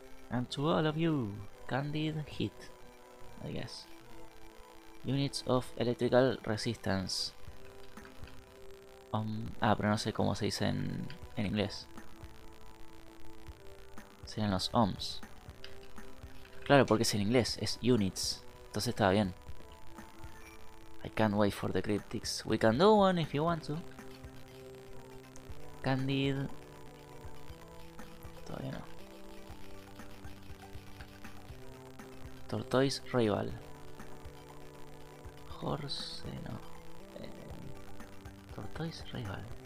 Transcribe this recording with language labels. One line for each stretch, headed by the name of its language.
English: And to all of you, candid heat, I guess. Units of electrical resistance.
Spanish: Pero no sé cómo se dice en inglés. Serían los ohms. Claro, porque es en inglés, es units. Entonces estaba bien.
English: I can't wait for the cryptics. We can do one if you want to.
Spanish: Candid. Todavía no.
English: Tortoise rival. Horse, no. Tortoise rival.